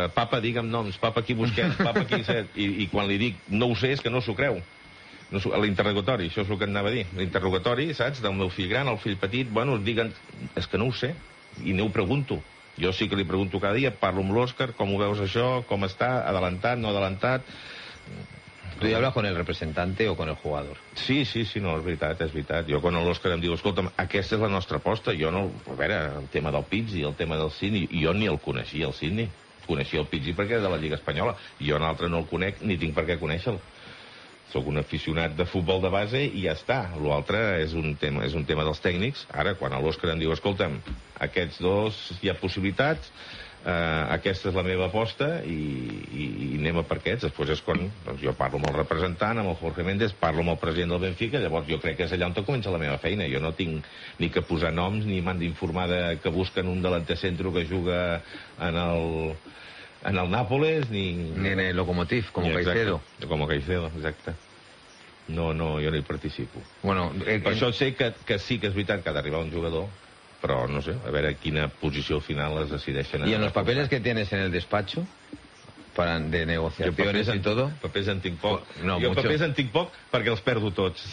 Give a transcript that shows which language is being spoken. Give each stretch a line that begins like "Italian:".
Catalan: Papa, digue'm noms, papa, qui busquem, papa, qui... I quan li dic, no ho sé, és que no s'ho creu. L'interrogatori, això és el que anava a dir. L'interrogatori, saps, del meu fill gran, el fill petit, bueno, diguen, és que no ho sé, i no ho pregunto. Jo sí que li pregunto cada dia, parlo amb l'Òscar, com ho veus això, com està, adelantat, no adelantat... Tu ja
Spanish: hablas con el representante o con el jugador.
Catalan: Sí, no, és veritat. Jo quan l'Òscar em diu, escolta'm, aquesta és la nostra aposta, jo no... A veure, el tema del Pizzi, el tema del Sidney, jo ni el coneixia, el Sidney. Coneixia el Pizzi perquè era de la Lliga Espanyola. Jo un altre no el conec, ni tinc per què conèixer-lo. Sóc un aficionat de futbol de base i ja està. L'altre és un tema dels tècnics. Ara, quan a l'Òscar em diu, escolta'm, aquests dos hi ha possibilitats, aquesta és la meva aposta i anem a per aquests. Després és quan doncs, jo parlo amb el representant, amb el Jorge Méndez, parlo amb el president del Benfica, llavors jo crec que és allà on comença la meva feina. Jo no tinc ni que posar noms, ni m'han d'informar que busquen un delanter centro que juga en el Nápoles, ni
Spanish: en el Lokomotiv, como Caicedo,
Catalan: exacte. No, jo no hi participo. Bueno, per això sé que sí que és veritat que ha d'arribar un jugador, però no sé, a veure quina posició final es decideixen. I en els papers
Spanish: que tienes en el despacho, de negociaciones en todo...
Catalan: Papers en tinc poc. Papers en tinc poc perquè els perdo tots.